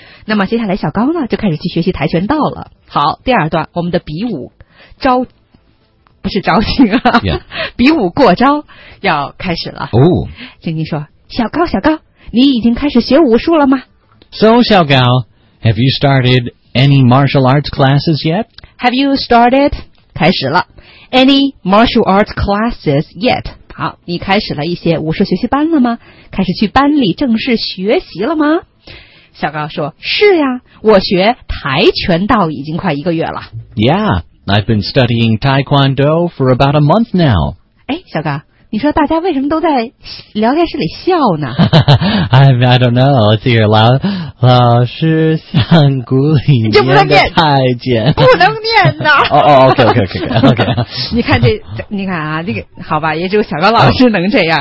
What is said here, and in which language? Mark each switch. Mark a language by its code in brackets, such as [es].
[zh] 那么接下来小刚呢就开始去学习跆拳道了。好，第二段我们的比武招，不是招亲啊、比武过招要开始了。哦，静静说，小刚小刚，你已经开始学武术了吗？ [en] So, 小刚， have you started any martial arts classes yet? Have you started? [zh] 开始了。 [en] Any martial arts classes yet? [zh] 好，你开始了一些武术学习班了吗？开始去班里正式学习了吗？小高说，是呀，我学跆拳道已经快一个月了。 [en] Yeah, I've been studying Taekwondo for about a month now. [zh] 哎，小高，你说大家为什么都在聊天室里笑呢？ [en] I don't know, let's hear loud. [zh] 老师像古里面的太监，不能念呐！哦哦 ，OK。你看这，你看啊，这个好吧，也只有小高老师能这样。